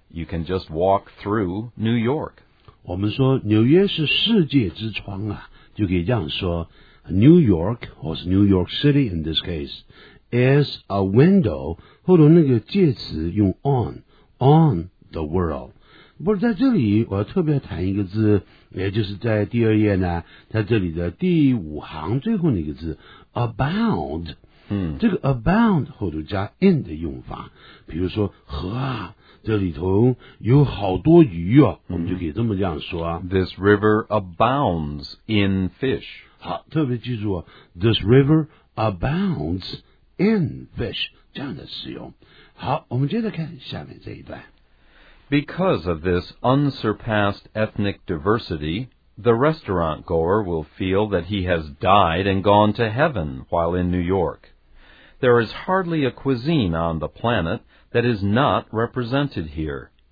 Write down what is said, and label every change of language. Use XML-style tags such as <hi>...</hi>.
<en>You can just walk through New York.</en> <zh>我们说纽约是世界之窗啊，就可以这样说</zh> <en>New York, or New York City in this case, is a window,</en> <zh>后头那个介词用</zh> <en>on the world.</en> <zh>不是在这里我要特别谈一个字，也就是在第二页呢，在这里的第五行最后那个字 abound,这个 abound 后头加 in 的用法，比如说河啊，这里头有好多鱼啊，我们就可以这么这样说啊。</zh> <en>This river abounds in fish.</en> <zh>好，特别记住啊 ，</zh> <en>this river abounds in fish</en> <zh>这样的使用。好，我们接着看下面这一段。</zh> <en>Because of this unsurpassed ethnic diversity, the restaurant goer will feel that he has died and gone to heaven while in New York. There is hardly a cuisine on the planet that is not represented here.</en>